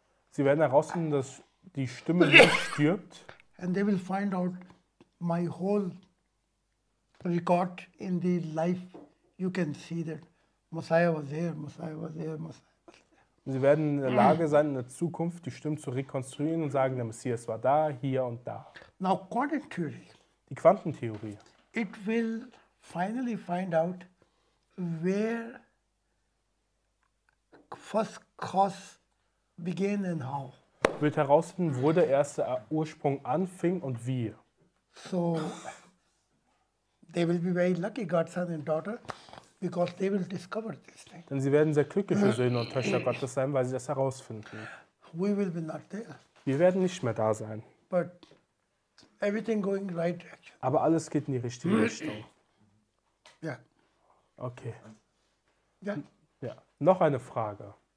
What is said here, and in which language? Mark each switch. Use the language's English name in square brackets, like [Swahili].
[German] Sie werden herausfinden, dass die Stimme nicht stirbt. [English] And they will find out my whole record in the life. You can see that Messiah was here, Messiah was here, Messiah was there. [German] Und sie werden in der Lage sein, in der Zukunft die Stimme zu rekonstruieren und sagen, der Messias war da, hier und da. [English] Now quantum theory. [German] Die Quantentheorie. [English] It will finally find out where first cause began and how. [German] Wird herausfinden, wo der erste Ursprung anfing und wie. [English] So, they will be very lucky, God's son and daughter, because they will discover this thing. [German] Denn sie werden sehr glückliche Söhne und Töchter Gottes sein, weil sie das herausfinden. [English] We will be not there. [German] Wir werden nicht mehr da sein. [English] But everything going right direction. [German] Aber alles geht in die richtige Richtung. Ja. Yeah. Okay. Ja. Yeah. Ja, noch eine Frage.